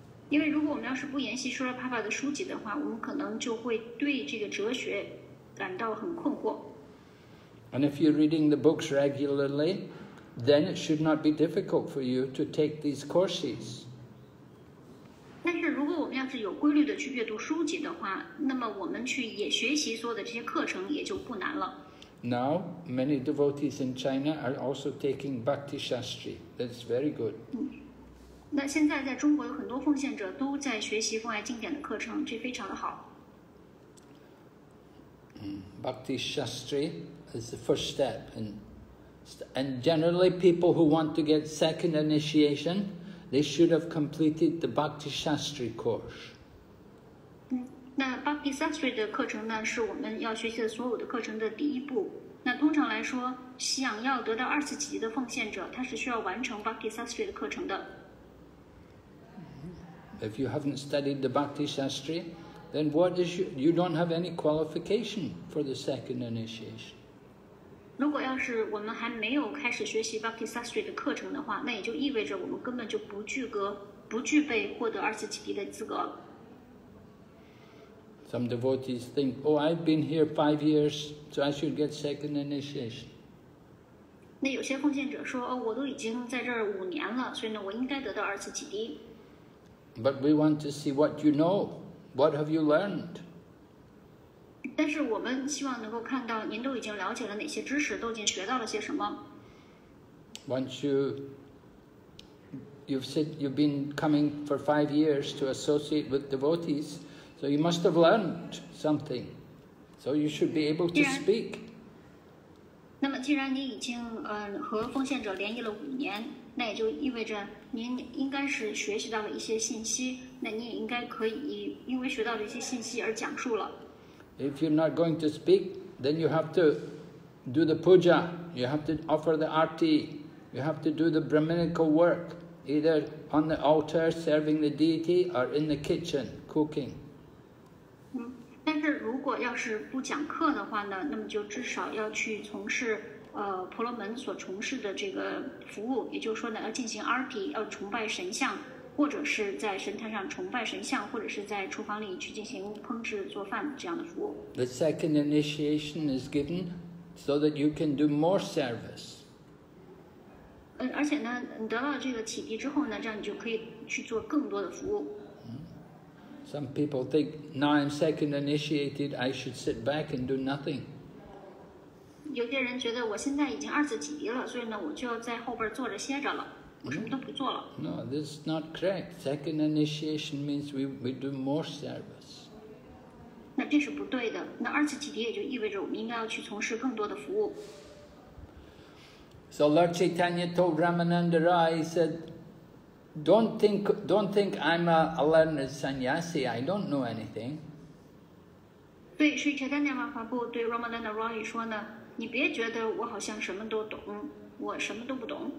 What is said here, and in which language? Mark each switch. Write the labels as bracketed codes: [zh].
[zh] 因为如果我们要是不研习 Srila Prabhupada 的书籍的话，我们可能就会对这个哲学感到很困惑。 [en] And if you're reading the books regularly,then it should not be difficult for you to take these courses. [zh] 但是如果我们要是有规律的去阅读书籍的话，那么我们去也学习所有的这些课程也就不难了。 [en] Now, many devotees in China are also taking Bhakti Shastri. That's very good. [zh] 那现在在中国有很多奉献者都在学习风爱经典的课程，这非常的好。 [en] Bhakti Shastri is the first step inAnd generally, people who want to get second initiation, they should have completed the Bhakti Shastri course. [zh] 那 Bhakti Shastri 的课程呢，是我们要学习的所有的课程的第一步。那通常来说，想要得到二次启迪的奉献者，他是需要完成 Bhakti Shastri 的课程的。 [en] If you haven't studied the Bhakti Shastri, then what is you don't have any qualification for the second initiation. [zh] 如果要是我们还没有开始学习 Bhakti Sastri 的课程的话，那也就意味着我们根本就不具备获得二次启迪的资格了。 [en] Some devotees think, oh, I've been here 5 years, so I should get second initiation. [zh] 那有些奉献者说，哦，我都已经在这儿5年了，所以呢，我应该得到二次启迪。 [en] But we want to see what you know. What have you learned? [zh] 但是我们希望能够看到您都已经了解了哪些知识，都已经学到了些什么。 [en] Once you've said you've been coming for 5 years to associate with devotees, so you must have learned something. So you should be able to speak. [zh] 那么既然您已经和奉献者联谊了5年，那也就意味着您应该是学习到了一些信息，那你也应该可以因为学到了一些信息而讲述了。 [en] If you're not going to speak, then you have to do the puja, you have to offer the arti, you have to do the brahminical work, either on the altar serving the deity or in the kitchen cooking. [zh] 但是如果要是不讲课的话呢，那么就至少要去从事婆罗门所从事的这个服务，也就是说呢，要进行arti，要崇拜神像，或者是在神坛上崇拜神像，或者是在厨房里去进行烹制做饭这样的服务。 [en] The second initiation is given so that you can do more service. [zh] 而且呢，你得到这个启迪之后呢，这样你就可以去做更多的服务。 [en] Some people think now I'm second initiated, I should sit back and do nothing. [zh] 有些人觉得我现在已经二次启迪了，所以呢，我就要在后边坐着歇着了。 [en] No, this is not correct. Second initiation means we do more service. [zh] 那这是不对的。那二次启迪也就意味着我们应该要去从事更多的服务。 [en] So Lord Chaitanya told Ramananda Rai, he said, don't think I'm a learned sannyasi. I don't know anything. [zh] 对，所以 Chaitanya Mahaprabhu 对 Ramananda Rai 说呢，你别觉得我好像什么都懂。我什么都不懂。